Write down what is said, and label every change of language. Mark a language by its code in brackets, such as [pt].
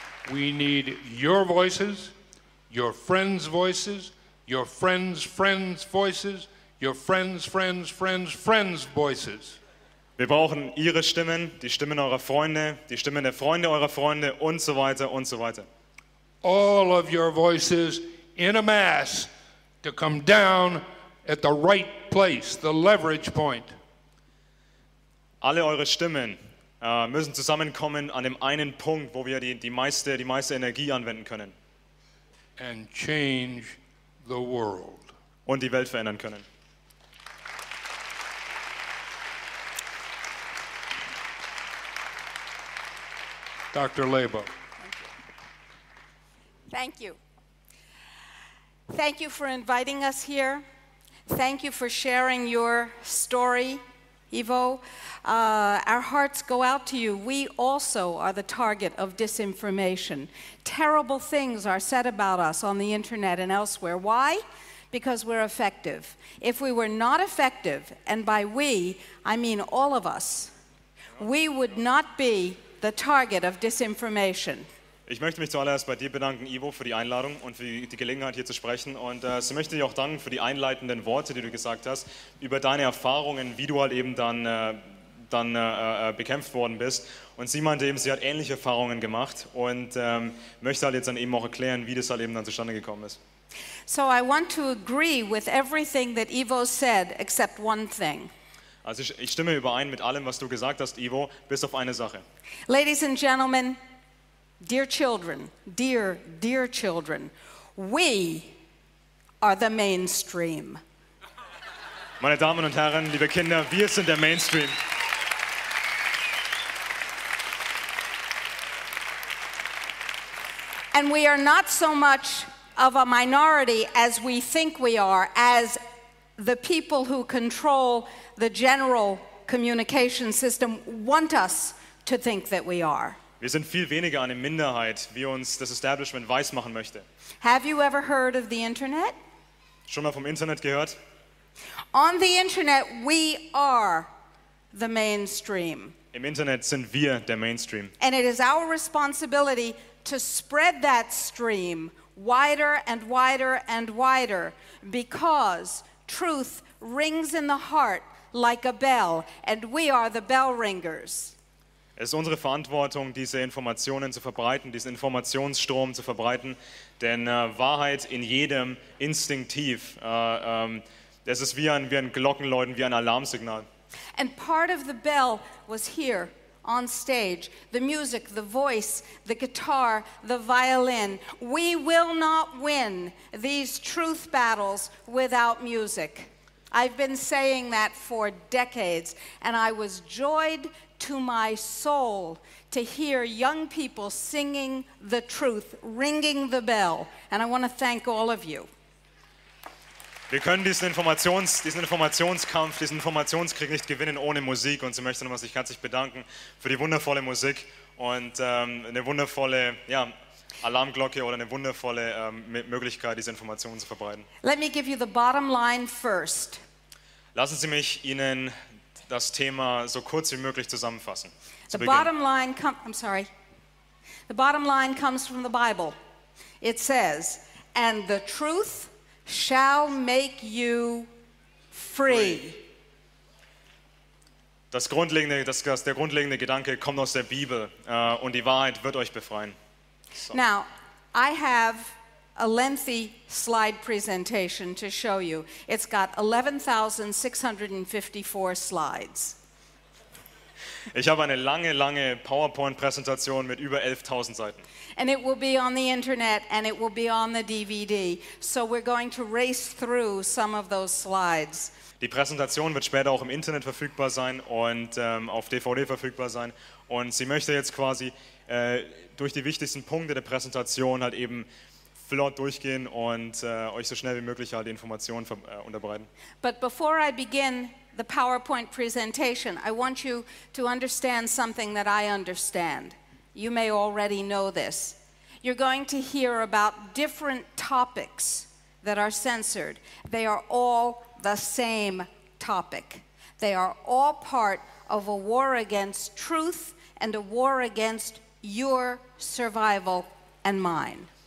[en] We need your voices, your friends' voices, your friends' friends' voices, your friends' friends' friends' friends' voices. [de] Wir brauchen ihre Stimmen, die Stimmen eurer Freunde, die Stimmen der Freunde eurer Freunde und so weiter und so weiter. [en] All of your voices in a mass to come down at the right place, the leverage point. [de] Alle eure Stimmen müssen zusammenkommen an dem einen Punkt, wo wir die meiste Energie anwenden können. [en] And change the world. [de] Und die Welt verändern können. [en] Dr. Laibow. Thank you. Thank you for inviting us here. Thank you for sharing your story, Ivo. Our hearts go out to you. We also are the target of disinformation. Terrible things are said about us on the internet and elsewhere. Why? Because we're effective. If we were not effective, and by we, I mean all of us, we would not be the target of disinformation. [de] Ich möchte mich zuallererst bei dir bedanken, Ivo, für die Einladung und für die Gelegenheit, hier zu sprechen. Und ich möchte dich auch danken für die einleitenden Worte, die du gesagt hast, über deine Erfahrungen, wie du halt eben dann bekämpft worden bist. Und sie meinte eben, sie hat ähnliche Erfahrungen gemacht und möchte halt jetzt dann eben auch erklären, wie das halt eben dann zustande gekommen ist. [en] So I want to agree with everything that Ivo said, except one thing. [de] Also ich stimme überein mit allem, was du gesagt hast, Ivo, bis auf eine Sache. [en] Ladies and gentlemen, dear children, dear, dear children, we are the mainstream. [de] Meine Damen und Herren, liebe Kinder, wir sind der Mainstream. [en] And we are not so much of a minority as we think we are, as the people who control the general communication system want us to think that we are. [de] Wir sind viel weniger eine Minderheit, wie uns das Establishment weismachen möchte. [en] Have you ever heard of the Internet? [de] Schon mal vom Internet gehört? [en] On the Internet, we are the mainstream. [de] Im Internet sind wir der Mainstream. [en] And it is our responsibility to spread that stream wider and wider and wider, because truth rings in the heart like a bell, and we are the bell ringers. [de] Es ist unsere Verantwortung, diese Informationen zu verbreiten, diesen Informationsstrom zu verbreiten, denn Wahrheit in jedem instinktiv, das ist wie ein Glockenläuten, wie ein Alarmsignal. [en] And part of the bell was here on stage, the music, the voice, the guitar, the violin. We will not win these truth battles without music. I've been saying that for decades, and I was joyed to my soul to hear young people singing the truth, ringing the bell, and I want to thank all of you. [de] Wir können diesen Informationskampf, diesen Informationskrieg nicht gewinnen ohne Musik, und sie möchte nochmal sich herzlich bedanken für die wundervolle Musik und eine wundervolle, ja, Alarmglocke oder eine wundervolle Möglichkeit, diese Informationen zu verbreiten. [en] Let me give you the bottom line first. [de] Lassen Sie mich Ihnen das Thema so kurz wie möglich zusammenfassen. [en] The bottom line comes from the Bible. It says, and the truth shall make you free. [de] Der grundlegende Gedanke kommt aus der Bibel, und die Wahrheit wird euch befreien. [en] So. Now, I have a lengthy slide presentation to show you. It's got 11,654 slides. [de] Ich habe eine lange PowerPoint-Präsentation mit über 11,000 Seiten. [en] And it will be on the internet and it will be on the DVD. So we're going to race through some of those slides. [de] Die Präsentation wird später auch im Internet verfügbar sein und auf DVD verfügbar sein. Und sie möchte jetzt quasi durch die wichtigsten Punkte der Präsentation halt eben flott durchgehen und euch so schnell wie möglich halt die Informationen unterbreiten. [en] But before I begin the PowerPoint presentation, I want you to understand something that I understand. You may already know this. You're going to hear about different topics that are censored. They are all the same topic. They are all part of a war against truth and a war against your survival and mine.